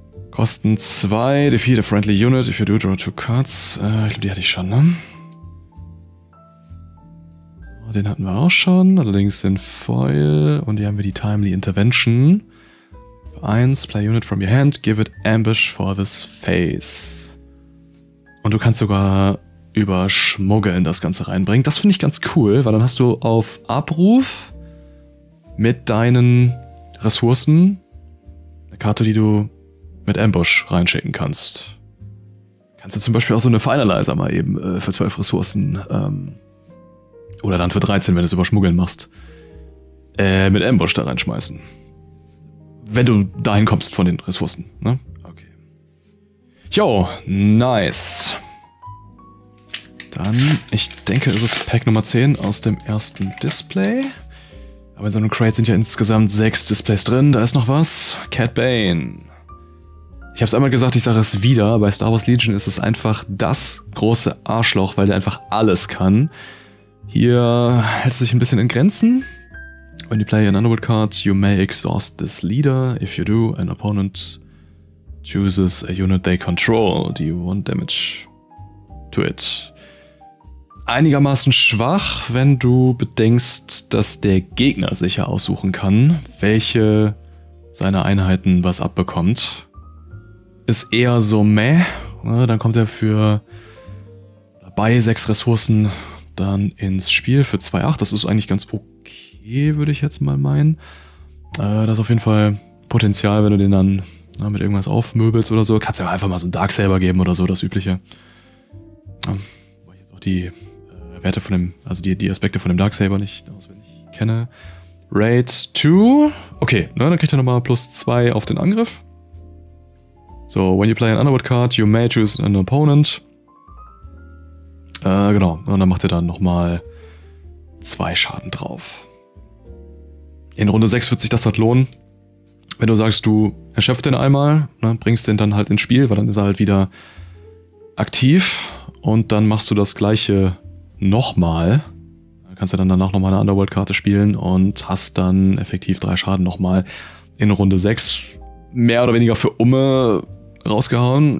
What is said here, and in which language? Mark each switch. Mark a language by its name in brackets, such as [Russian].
[German] Kosten 2, [English] defeat a friendly unit, if you do draw 2 cards. [German] Ich glaube, die hatte ich schon, ne? Den hatten wir auch schon, allerdings in Foil. Und hier haben wir die Timely Intervention. [English] 1, play unit from your hand, give it ambush for this phase. [German] Und du kannst sogar über Schmuggeln das Ganze reinbringen. Das finde ich ganz cool, weil dann hast du auf Abruf mit deinen Ressourcen eine Karte, die du mit Ambush reinschicken kannst. Kannst du zum Beispiel auch so eine Finalizer mal eben für 12 Ressourcen oder dann für 13, wenn du es über Schmuggeln machst, mit Ambush da reinschmeißen. Wenn du dahin kommst von den Ressourcen, ne? Okay. [English] Yo, nice. [German] Dann, ich denke, ist es Pack Nummer 10 aus dem ersten Display. Aber in so einem Crate sind ja insgesamt 6 Displays drin. Da ist noch was. Cad Bane. Ich hab's einmal gesagt, ich sage es wieder. Bei Star Wars Legion ist es einfach das große Arschloch, weil der einfach alles kann. Hier hält es sich ein bisschen in Grenzen. [English] When you play an Underworld card, you may exhaust this leader. If you do, an opponent chooses a unit they control. Do you want damage to it? [German] Einigermaßen schwach, wenn du bedenkst, dass der Gegner sicher aussuchen kann, welche seiner Einheiten was abbekommt. Ist eher so meh. Ne? Dann kommt er für bei 6 Ressourcen dann ins Spiel für 2,8. Das ist eigentlich ganz okay, würde ich jetzt mal meinen. Das auf jeden Fall Potenzial, wenn du den dann na, mit irgendwas aufmöbelst oder so. Kannst du ja einfach mal so einen Darksaber geben oder so, das Übliche. Ja, weil ich jetzt auch die Werte von dem, also die Aspekte von dem Darksaber nicht auswendig kenne. Raid 2. Okay, ne, dann kriegt er nochmal plus 2 auf den Angriff. [English] So, when you play an Underwood card, you may choose an opponent. [German] Genau. Und dann macht er dann nochmal 2 Schaden drauf. In Runde 6 wird sich das halt lohnen. Wenn du sagst, du erschöpfst den einmal, ne, bringst den dann halt ins Spiel, weil dann ist er halt wieder aktiv. Und dann machst du das gleiche nochmal. Kannst du dann danach nochmal eine Underworld-Karte spielen und hast dann effektiv 3 Schaden nochmal in Runde 6 mehr oder weniger für Umme rausgehauen.